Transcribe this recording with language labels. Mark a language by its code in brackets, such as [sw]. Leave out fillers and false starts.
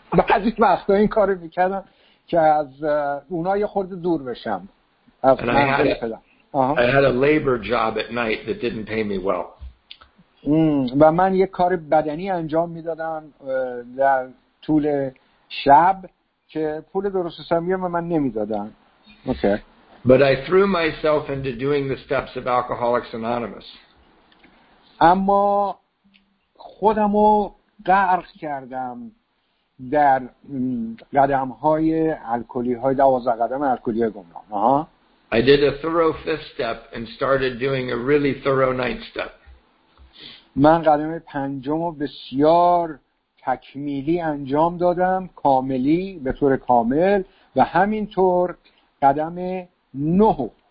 [fa] بعضی وقتا این کارو می‌کردم که از اونها یه خورده دور بشم. [en] I had a labor job at night that didn't pay me well. [fa] و من یک کار بدنی انجام میدادم در طول شب که پول درست حسابی به من نمیدادن. [en] Okay. But I threw myself into doing the steps of Alcoholics Anonymous. [fa] اما خودمو غرق کردم در قدم‌های الکلی‌های 12 قدم الکلی گمنام. [en] I did a thorough fifth step and started doing a really thorough ninth step. [fa] من قدم پنجم رو بسیار تکمیلی انجام دادم، کاملی، به طور کامل و همینطور قدم نه.